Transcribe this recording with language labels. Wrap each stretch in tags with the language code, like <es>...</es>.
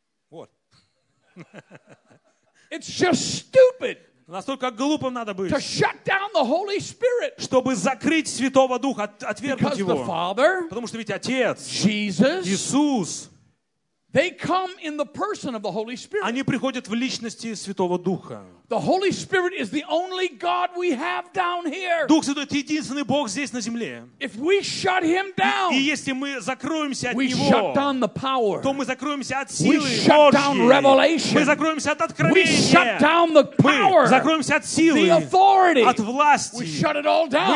<ru>Вот.</ru> <en>It's just stupid.</en> <ru>Настолько глупым надо быть.</ru> <en>To shut down the Holy Spirit.</en> <ru>Чтобы закрыть Святого Духа, отвергнуть его.</ru> <en>Because the Father.</en> <ru>Потому что ведь Отец.</ru> <en>Jesus.</en> <ru>Иисус.</ru> <en>They come in the person of the Holy Spirit.</en> <ru>Они приходят в личности Святого Духа.</ru> <en>The Holy Spirit is the only God we have down here.</en> <ru>Дух Святой — это единственный Бог здесь на земле.</ru> <en>If we shut him down,</en> <ru>и если мы закроемся от</ru> <en>we</en> <ru>него,</ru> <en>shut down the power,</en> <ru>то мы закроемся от силы</ru> <en>we shut down revelation,</en> <ru>мы закроемся от откровения,</ru> <en>we shut down the power,</en> <ru>мы закроемся от силы,</ru> <en>the authority,</en> <ru>от власти,</ru> <en>we shut it all down,</en>